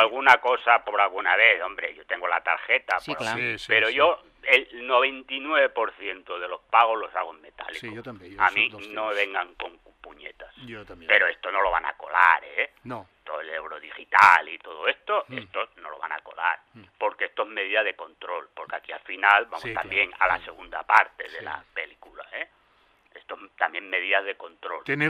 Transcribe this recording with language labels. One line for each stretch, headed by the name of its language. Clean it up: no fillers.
Spanish: alguna cosa por alguna vez, hombre, yo tengo la tarjeta. Sí, claro. Sí, yo el 99% de los pagos los hago en metàl·lic.
Catalan: Sí, jo també.
Spanish: A mi no vengan con puñetas.
Catalan: Jo també.
Spanish: Però esto no lo van a colar, ¿eh? No. Todo el euro digital y todo esto, esto no lo van a colar. Porque esto es medida de control. Porque aquí al final vamos también a la segunda parte de la película, ¿eh? Esto también medidas de control.